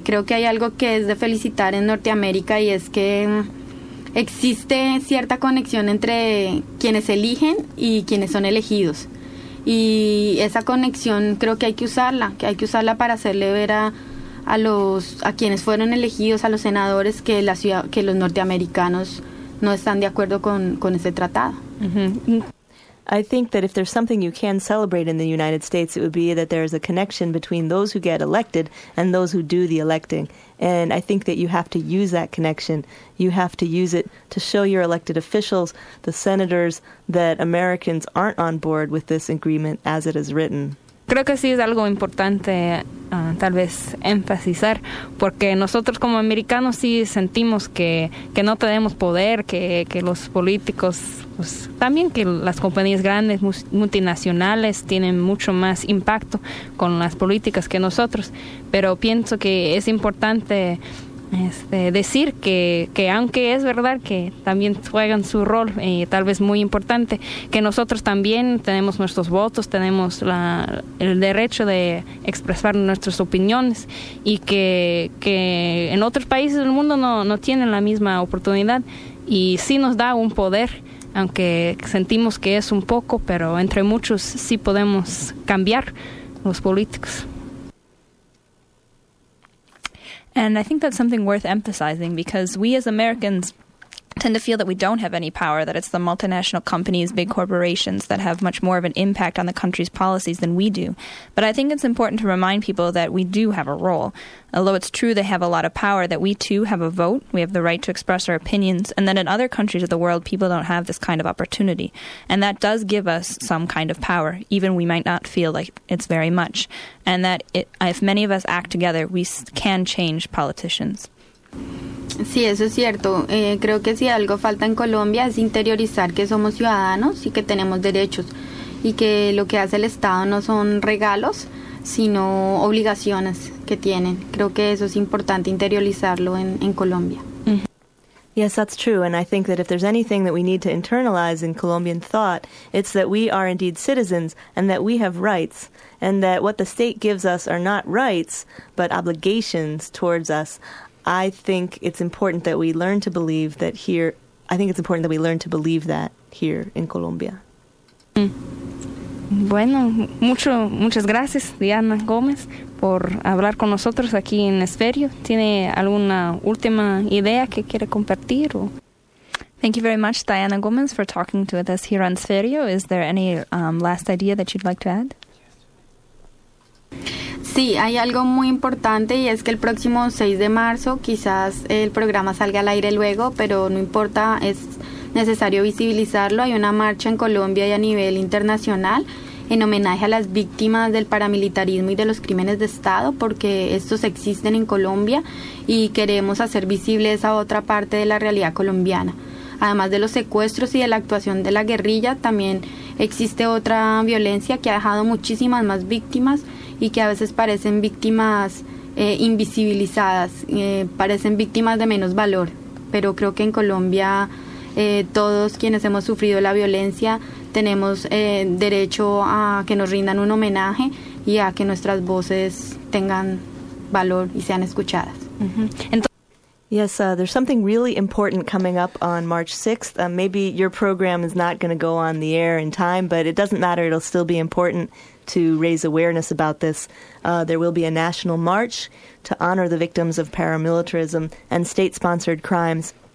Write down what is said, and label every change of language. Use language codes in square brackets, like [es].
[es] Creo que hay algo que es de felicitar en Norteamérica y es que existe cierta conexión entre quienes eligen y quienes son elegidos. Y esa conexión creo que hay que usarla, que hay que usarla para hacerle ver a quienes fueron elegidos, a los senadores, que la ciudad, que los norteamericanos no están de acuerdo con ese tratado. [en] I think that if there's something you can celebrate in the United States, it would be that there is a connection between those who get elected and those who do the electing. And I think that you have to use that connection. You have to use it to show your elected officials, the senators, that Americans aren't on board with this agreement as it is written. [es] Creo que sí es algo importante, tal vez, enfatizar, porque nosotros como americanos sí sentimos que no tenemos poder, que los políticos, pues, también que las compañías grandes, multinacionales, tienen mucho más impacto con las políticas que nosotros. Pero pienso que es importante decir que aunque es verdad que también juegan su rol, tal vez muy importante, que nosotros también tenemos nuestros votos, tenemos el derecho de expresar nuestras opiniones y que en otros países del mundo no tienen la misma oportunidad y sí nos da un poder, aunque sentimos que es un poco, pero entre muchos sí podemos cambiar los políticos. [en] And I think that's something worth emphasizing because we as Americans tend to feel that we don't have any power, that it's the multinational companies, big corporations that have much more of an impact on the country's policies than we do. But I think it's important to remind people that we do have a role. Although it's true they have a lot of power, that we too have a vote, we have the right to express our opinions, and that in other countries of the world, people don't have this kind of opportunity. And that does give us some kind of power, even we might not feel like it's very much. And that if many of us act together, we can change politicians. [es] Sí, eso es cierto. Creo que si algo falta en Colombia es interiorizar que somos ciudadanos y que tenemos derechos y que lo que hace el Estado no son regalos, sino obligaciones que tienen. Creo que eso es importante interiorizarlo en Colombia. [en] Yes, that's true, and I think that if there's anything that we need to internalize in Colombian thought, it's that we are indeed citizens and that we have rights, and that what the state gives us are not rights, but obligations towards us. I think it's important that we learn to believe that here. I think it's important that we learn to believe that here in Colombia. [es] Bueno, muchas gracias, Diana Gómez, por hablar con nosotros aquí en Esferio. ¿Tiene alguna última idea que quiere compartir? [en] Thank you very much, Diana Gómez, for talking to us here on Esferio. Is there any last idea that you'd like to add? [es] Sí, hay algo muy importante y es que el próximo 6 de marzo quizás el programa salga al aire luego, pero no importa, es necesario visibilizarlo. Hay una marcha en Colombia y a nivel internacional en homenaje a las víctimas del paramilitarismo y de los crímenes de Estado, porque estos existen en Colombia y queremos hacer visible esa otra parte de la realidad colombiana. Además de los secuestros y de la actuación de la guerrilla, también existe otra violencia que ha dejado muchísimas más víctimas y que a veces parecen víctimas invisibilizadas, parecen víctimas de menos valor. Pero creo que en Colombia todos quienes hemos sufrido la violencia tenemos derecho a que nos rindan un homenaje y a que nuestras voces tengan valor y sean escuchadas. [en] Yes, there's something really important coming up on March 6th. Maybe your program is not going to go on the air in time, but it doesn't matter. It'll still be important to raise awareness about this. There will be a national march to honor the victims of paramilitarism and state-sponsored crimes.